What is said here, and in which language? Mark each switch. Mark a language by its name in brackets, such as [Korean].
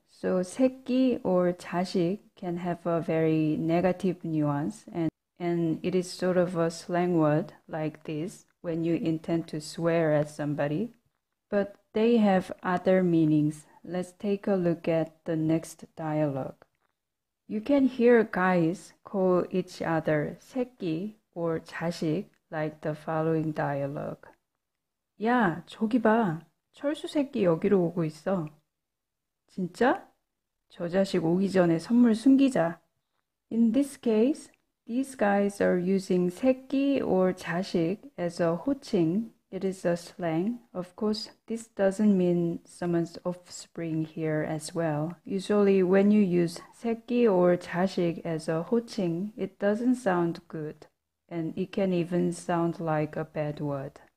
[English] So 새끼 or 자식 can have a very negative nuance, and it is sort of a slang word like this when you intend to swear at somebody. But they have other meanings. Let's take a look at the next dialogue. You can hear guys call each other 새끼 or 자식 like the following dialogue. [Korean] 야, 저기 봐. 철수 새끼 여기로 오고 있어. 진짜? 저 자식 오기 전에 선물 숨기자. [English] In this case, these guys are using 새끼 or 자식 as a 호칭. It is a slang. Of course, this doesn't mean someone's offspring here as well. Usually, when you use 새끼 or 자식 as a 호칭, it doesn't sound good, and it can even sound like a bad word.